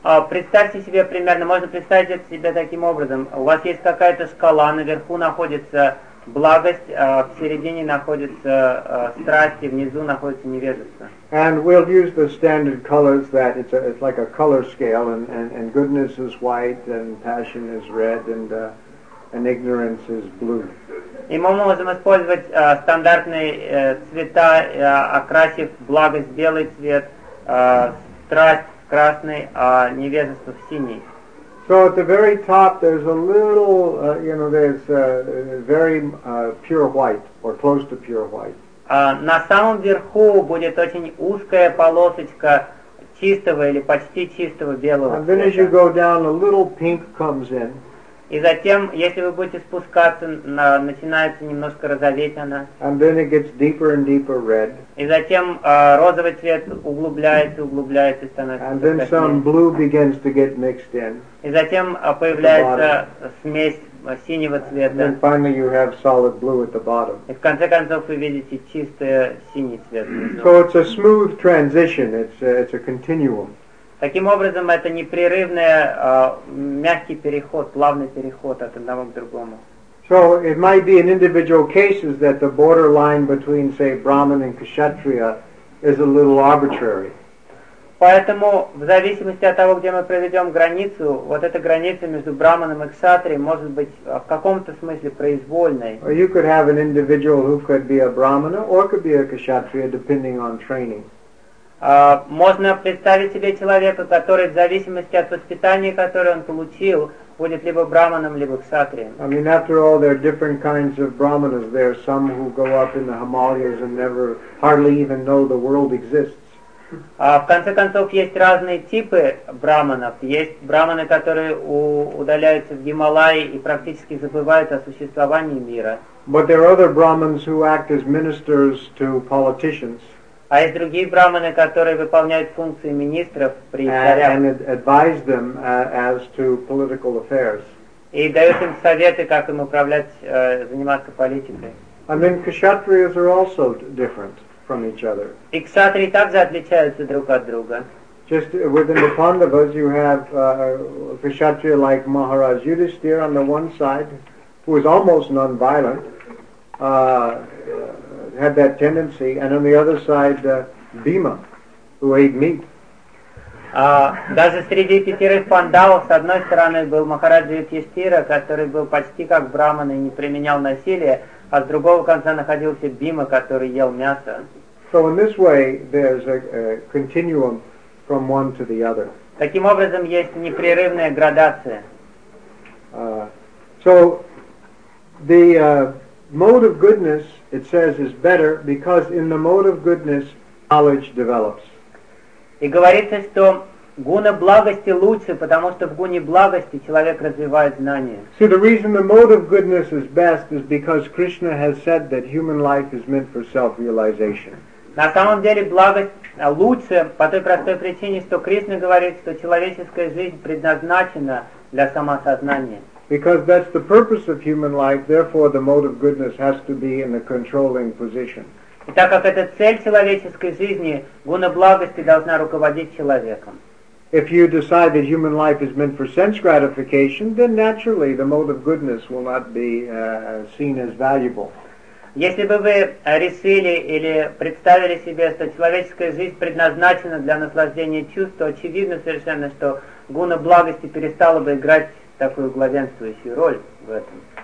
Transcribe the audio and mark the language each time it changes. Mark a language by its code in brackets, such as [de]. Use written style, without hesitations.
[ru] Представьте себе примерно. Можно представить это себе таким образом. У вас есть какая-то шкала, наверху находится благость, в середине находится страсть, и внизу находится невежество. [en] And we'll use the standard colors that it's like a color scale, and goodness is white, and passion is red, and ignorance is blue. [ru] И мы можем использовать стандартные цвета, окрасив благость в белый цвет, страсть в красный, а невежество в синий. [en] So at the very top there's a little, there's a very pure white, or close to pure white. [ru] На самом верху будет очень узкая полосочка чистого или почти чистого белого цвета. [en] And then as you go down, a little pink comes in. [ru] И затем, если вы будете спускаться, начинается немножко розоветь она. [en] And then it gets deeper and deeper red. [ru] И затем розовый цвет углубляется, углубляется и становится [en] And then [ru] краснее. [en] Some blue begins to get mixed in. [ru] И затем появляется смесь синего цвета. [en] And then finally you have solid blue at the bottom. [ru] И в конце концов вы видите чистый синий цвет. [en] So it's a smooth transition, it's a continuum. [ru] Таким образом, это непрерывный мягкий переход, плавный переход от одного к другому. [en] So it might be in individual cases that the borderline between, say, Brahman and Kshatriya is a little arbitrary. [ru] Поэтому, в зависимости от того, где мы проведем границу, вот эта граница между Брахманом и Кшатрией может быть в каком-то смысле произвольной. [en] Or you could have an individual who could be a Brahmana or could be a Kshatriya, depending on training. [ru] Можно представить себе человека, который в зависимости от воспитания, которое он получил, будет либо брахманом, либо кшатрием. [en] I mean, after all, there are different kinds of brahmanas. There are some who go up in the Himalayas and never hardly even know the world exists. [ru] В конце концов, есть разные типы брахманов. Есть брахманы, которые удаляются в Гималаи и практически забывают о существовании мира. [en] But there are other brahmans who act as ministers to politicians. [ru] А есть другие брахманы, которые выполняют функции министров при царях. [en] And advise them as to political affairs. [ru] И дают им советы, как им управлять, заниматься политикой. [en] And then kshatriyas are also different from each other. [ru] И кшатрии также отличаются друг от друга. [en] Just within the Pandavas, you have a Kshatriya like Maharaj Yudhisthira on the one side, who was almost non-violent, had that tendency, and on the other side, Bhima, who ate meat. [ru] Даже среди пятерых пандавов, с одной стороны, был Махараджа Юдхиштхира, который был почти как брахман и не применял насилие, а с другого конца находился Бима, который ел мясо. [en] So in this way, there's a continuum from one to the other. [ru] Таким образом, есть непрерывная градация. [en] So the mode of goodness, it says, is better because in the mode of goodness, knowledge develops. [ru] И говорится, что гуна благости лучше, потому что в гуне благости человек развивает знания. [en] See, the reason the mode of goodness is best is because Krishna has said that human life is meant for self-realization. [ru] На самом деле благость лучше по той простой причине, что Кришна говорит, что человеческая жизнь предназначена для самосознания. [en] Because that's the purpose of human life, therefore the mode of goodness has to be in a controlling position. [ru] И так как это цель человеческой жизни, гуна благости должна руководить человеком. [en] If you decide that human life is meant for sense gratification, then naturally the mode of goodness will not be seen as valuable. [ru] Если бы вы решили или представили себе, что человеческая жизнь предназначена для наслаждения чувств, то очевидно совершенно, что гуна благости перестала бы играть такую главенствующую роль в этом.